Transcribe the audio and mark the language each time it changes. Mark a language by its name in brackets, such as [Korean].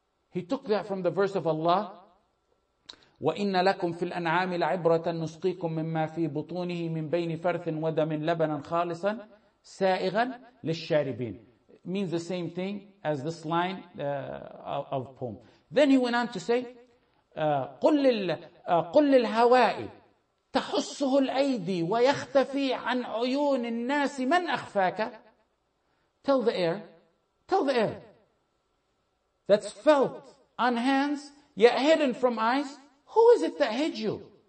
[English] He took that from the verse of Allah. [Arabic] وَإِنَّ لَكُمْ فِي الْأَنْعَامِ لَعِبْرَةً نُسْقِيكُمْ مِمَّا فِي بُطُونِهِ مِنْ بَيْنِ فَرْثٍ وَدَمٍ لَبَنًا خَالِصًا سَائِغًا لِلشَّارِبِينَ. [English] It means the same thing as this line of poem. Then he went on to say, [Arabic] قل للهواء تحسه الأيدي ويختفي عن عيون الناس من أخفاك. [English] Tell the air that's felt on hands yet hidden from eyes, who is it that hid you?